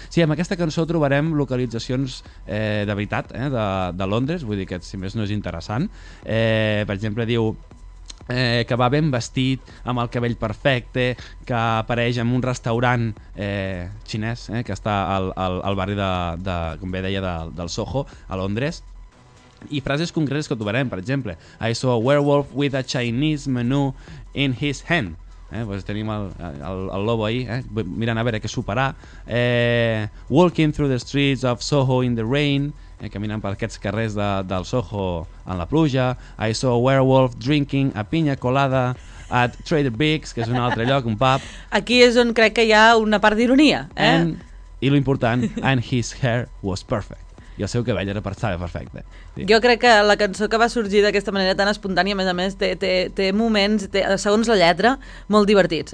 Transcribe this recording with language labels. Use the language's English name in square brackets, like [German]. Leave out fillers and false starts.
[Catalan] Sí, amb aquesta cançó trobarem localitzacions de veritat de Londres, vull dir que si més no és interessant. Per exemple, diu que va ben vestit, amb el cabell perfecte, que apareix en un restaurant xinès que està al barri de com bé deia, del Soho, a Londres. I frases concretes que trobarem, per exemple, [English] I saw a werewolf with a Chinese menu in his hand. [Catalan] Pues tenim el [Spanish] lobo ahí, [Catalan] mirant a veure què superar. [English] Walking through the streets of Soho in the rain, [Catalan] caminant per aquests carrers del Soho en la pluja. [English] I saw a werewolf drinking a piña colada at Trader Vic's, [Catalan] que és un altre lloc, un pub. Aquí és on crec que hi ha una part d'ironia. I l'important, [English] and his hair was perfect. [Catalan] I el seu cabell era perfecte. Sí. Jo crec que la cançó que va sorgir d'aquesta manera tan espontània, a més, té moments, segons la lletra, molt divertits.